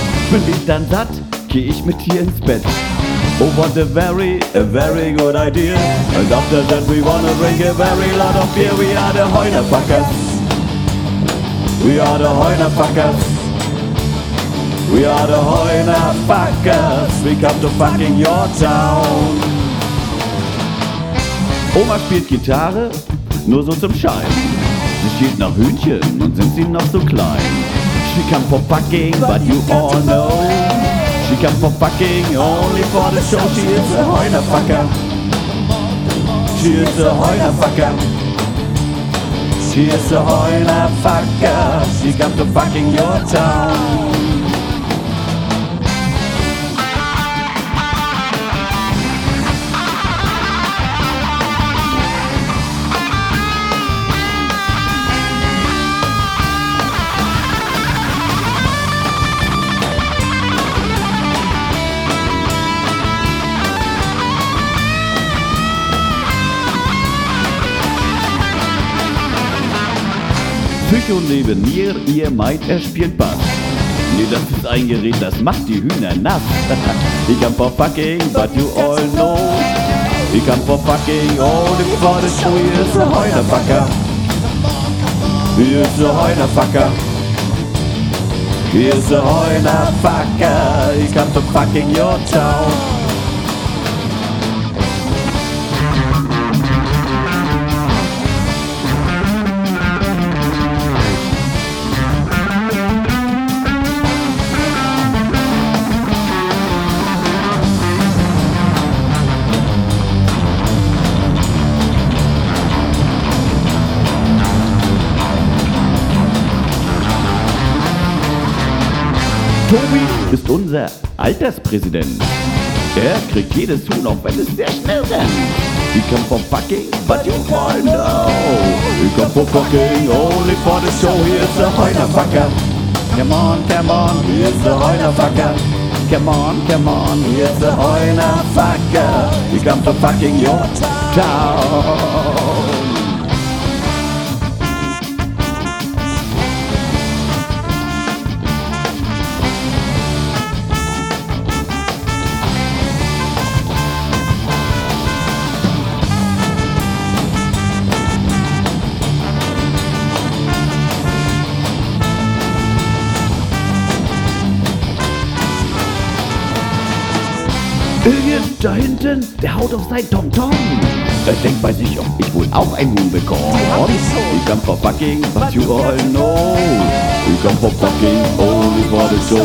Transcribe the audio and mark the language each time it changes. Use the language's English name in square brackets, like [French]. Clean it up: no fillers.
[German] Bin ich dann satt, geh ich mit dir ins Bett. [English] Oh, what a very good idea. And after that we wanna drink a very lot of beer. We are the Hoinerfakkass. We are the Hoinerfakkass. We are the Hoinerfakkass. We come to fucking your town. [German] Oma spielt Gitarre, nur so zum Schein. Sie schielt nach Hühnchen und sind sie noch so klein. [English] She come for fucking, but you all know. She come for fucking, only for the show. She is a Hoinerfakkass. She is a Hoinerfakkass. She is a Hoinerfakkass. She come to fucking your town. [German] Psycho neben mir, ihr meint, er spielt Bass. Nee, das ist ein Gerät, das macht die Hühner nass. [English] He come for fucking, but you all know. He come for fucking, only for the show. He is a Hoinerfakkass. He is a Hoinerfakkass. He is a Hoinerfakkass. He come for fucking your town. [German] Tobi ist unser Alterspräsident. Er kriegt jedes Huhn, auch wenn es sehr schnell rennt. [English] He come for fucking, but you all know. He come for fucking, only for the show. He is a Hoinerfakkass. Come on, come on, he is a Hoinerfakkass. Come on, come on, he is a Hoinerfakkass. He come for fucking your town. [German] Da hinten, der haut auf sein Tom-Tom. Er denkt bei sich, ob ich wohl auch ein Huhn bekomme. [English] He come for fucking, but you all know. He come for fucking, only for the show.